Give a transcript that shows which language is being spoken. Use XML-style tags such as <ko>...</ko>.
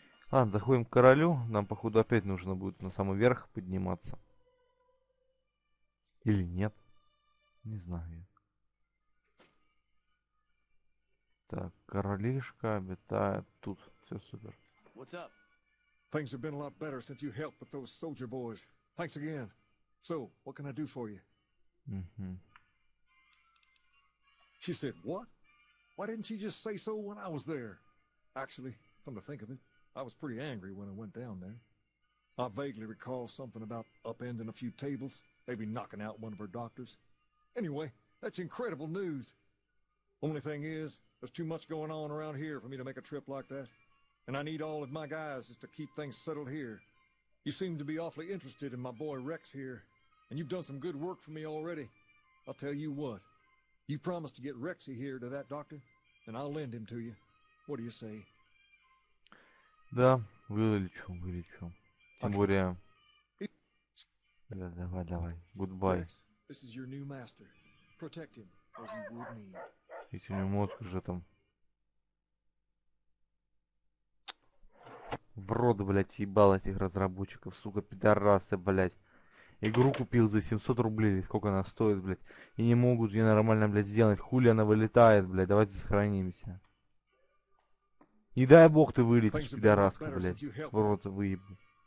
<ru>Ладно, заходим к королю. Нам, походу, опять нужно будет на самый верх подниматься. Или нет? Не знаю. Так, королишка обитает тут. Все супер.</ru> <en>What's up? Things have been a lot better since you helped with those soldier boys. Thanks again. So, what can I do for you? Mm-hmm. She said, what? Why didn't she just say so when I was there? Actually, come to think of it, I was pretty angry when I went down there. I vaguely recall something about upending a few tables, maybe knocking out one of her doctors. Anyway, that's incredible news. Only thing is, there's too much going on around here for me to make a trip like that. And I need all of my guys just to keep things settled here. You seem to be awfully interested in my boy Rex here. And you've done some good work for me already. I'll tell you what. You promised to get Rexy here to that doctor, and I'll lend him to you. What do you say?</en> <ru>Да, вылечу, вылечу. Тем более... Да, давай, давай.</ru> <en>Goodbye.</en> <ru>Rex,</ru> <en>this is your new master. Protect him as you would me.</en> <ru>Если у него мозг уже там в рот, блядь, ебал этих разработчиков, сука, пидорасы, блядь. Игру купил за 700 рублей, или сколько она стоит, блядь. И не могут ее нормально, блядь, сделать. Хули она вылетает, блядь, давайте сохранимся. Не дай бог ты вылетишь, пидораска, блядь, в рот выебу.</ru>